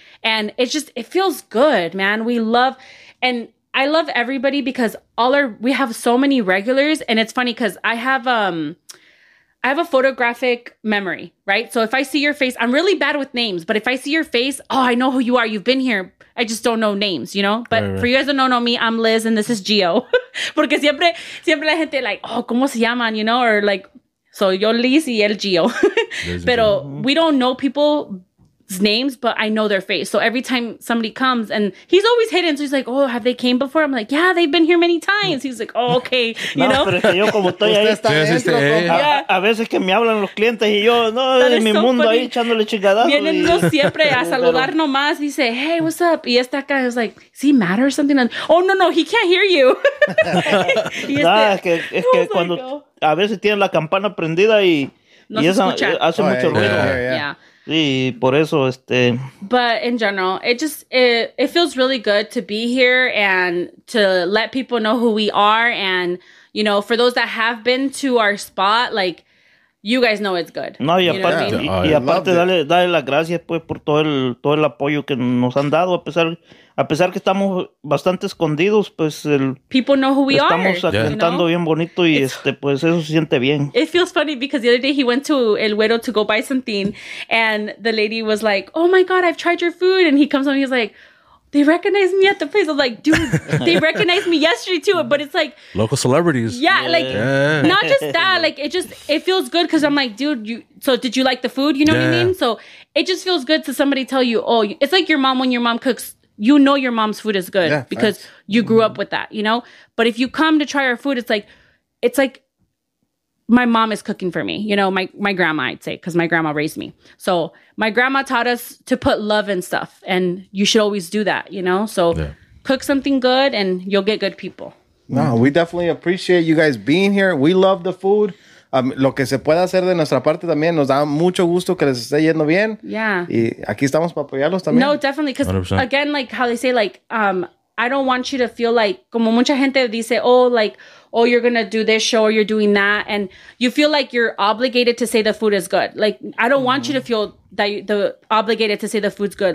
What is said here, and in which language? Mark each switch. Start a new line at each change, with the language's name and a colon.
English: And it's just, it feels good, man. We love, and I love everybody because we have so many regulars. And it's funny because I have a photographic memory, right? So if I see your face, I'm really bad with names, but if I see your face, oh, I know who you are. You've been here. I just don't know names, you know? But for you guys that don't know me, I'm Liz and this is Gio.
Spanish: Porque siempre la gente
English: like, oh,
Spanish: ¿cómo se llaman?
English: You know, or like, so
Spanish: yo Liz y el Gio. Pero
English: we don't know people's names, but I know their face. So every time somebody comes, and he's always hidden, so he's like, oh, have they came before? I'm like, yeah, they've been here many times. He's like, oh, okay, you know.
Spanish: Yo como estoy ahí, a veces que me hablan los clientes y yo no de mi mundo ahí echándole chingadazo. Vienen no siempre a saludar nomás.
English: He say, hey, what's up?
Spanish: Y esta acá,
English: he's like, is he mad or something? And, oh no, he can't hear you.
Spanish: Nah, es que cuando a veces tienen la campana prendida y esa hace mucho ruido.
English: Yeah.
Spanish: Sí, por eso,
English: But in general, it feels really good to be here and to let people know who we are. And, you know, for those that have been to our spot, like, you guys know it's good.
Spanish: No, y aparte,
English: you know what I mean?
Spanish: Y aparte dale las gracias pues por todo el apoyo que nos han dado a pesar que estamos bastante escondidos, pues el
English: people know who we
Spanish: estamos
English: are.
Spanish: Estamos cantando bien bonito y pues eso se siente bien.
English: It feels funny because the other day he went to El Güero to go buy something and the lady was like, "Oh my god, I've tried your food." And he comes home, he's like, "They recognized me at the place." I'm like, dude, they recognized me yesterday too. But it's like local celebrities. Yeah, like not just that. Like it feels good because I'm like, dude, did you like the food? You know what I mean? So it just feels good to somebody tell you, oh, it's like your mom when your mom cooks, you know your mom's food is good because you grew up with that, you know? But if you come to try our food, it's like my mom is cooking for me, you know, my grandma, I'd say, because my grandma raised me. So my grandma taught us to put love in stuff, and you should always do that, you know? So cook something good, and you'll get good people. No, we definitely appreciate you guys being here. We love the food.
Spanish: Lo que se pueda hacer de nuestra parte también nos da mucho gusto que les esté yendo bien.
English: Yeah.
Spanish: Y aquí estamos para apoyarlos también.
English: No, definitely, because, again, like how they say, like, I don't want you to feel like,
Spanish: como mucha gente dice,
English: oh, you're going to do this show or you're doing that. And you feel like you're obligated to say the food is good. Like, I don't want you to feel that the obligated to say the food's good.